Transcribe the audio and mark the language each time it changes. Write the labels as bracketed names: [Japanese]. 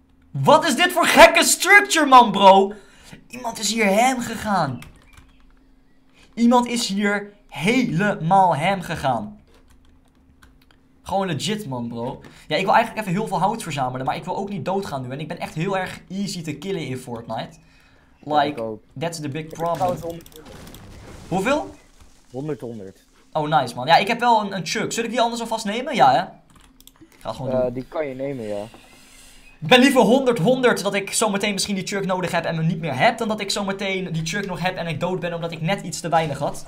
[Dutch] Wat is dit voor gekke structure, man, bro? Iemand is hier hem gegaan. Iemand is hier helemaal hem gegaan. Gewoon legit, man, bro. Ja, ik wil eigenlijk even heel veel hout verzamelen, maar ik wil ook niet doodgaan nu. En ik ben echt heel erg easy te killen in Fortnite. [English] Like, that's the big problem. [Dutch] 100. Hoeveel? 100. Oh, nice, man. Ja, ik heb wel een chuck. Zullen ik die anders alvast nemen? Ja, hè? Ik ga het gewoon doen. Die kan je nemen, ja. Ik ben liever 100 dat ik zometeen misschien die chuck nodig heb en hem niet meer heb, dan dat ik zometeen die chuck nog heb en ik dood ben omdat ik net iets te weinig had.